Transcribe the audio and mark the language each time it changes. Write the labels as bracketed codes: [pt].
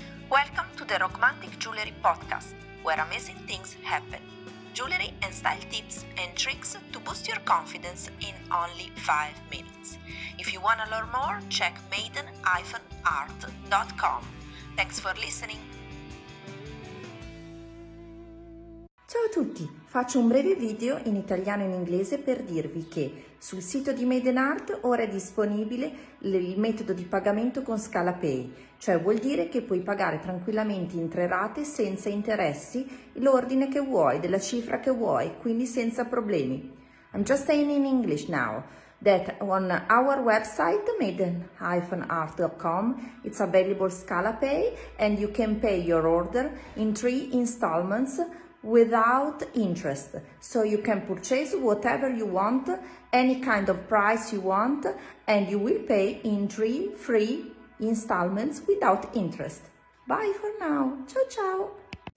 [en] Welcome to the Rockmantic Jewelry Podcast, where amazing things happen. Jewelry and style tips and tricks to boost your confidence in only 5 minutes. If you want to learn more, check maiden-art.com. Thanks for listening. [it] Ciao a tutti, faccio un breve video in italiano e in inglese per dirvi che sul sito di Maiden Art ora è disponibile il metodo di pagamento con scala Pay, cioè vuol dire che puoi pagare tranquillamente in 3 rate senza interessi l'ordine che vuoi, della cifra che vuoi, quindi senza problemi. [en] I'm just saying in English now that on our website maiden-art.com it's available scala Pay and you can pay your order in 3 installments without interest, so you can purchase whatever you want, any kind of price you want, and you will pay in 3 free installments without interest. Bye for now. Ciao ciao.